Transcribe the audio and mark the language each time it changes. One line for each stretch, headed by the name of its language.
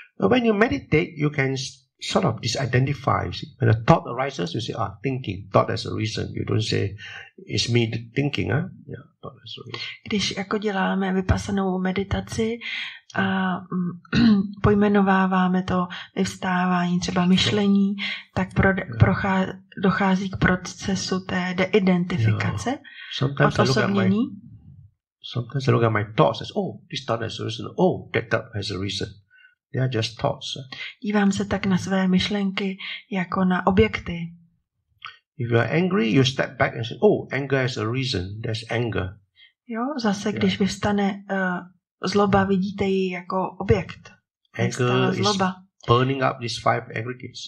English: When you meditate, you can sort of disidentify. When a thought arises, you say, "Ah, thinking." Thought as a reason. You don't say, "It's me thinking." Ah, yeah, thought as a reason.
Czech: Když jako děláme vypasanou meditaci a pojmenováváme to vyvstávání třeba myšlení, tak dochází k procesu té deidentifikace, odosobnění.
English: Sometimes I look at my thoughts as, "Oh, this thought has a reason. Oh, that thought has a reason." They are just thoughts.
Czech: Dívám se tak na své myšlenky jako na objekty.
English: If you are angry, you step back and say, "Oh, anger has a reason. There's anger."
Czech: Jo, zase když vyvstane zloba, vidíte ji jako objekt.
English: Anger is burning up these five aggregates.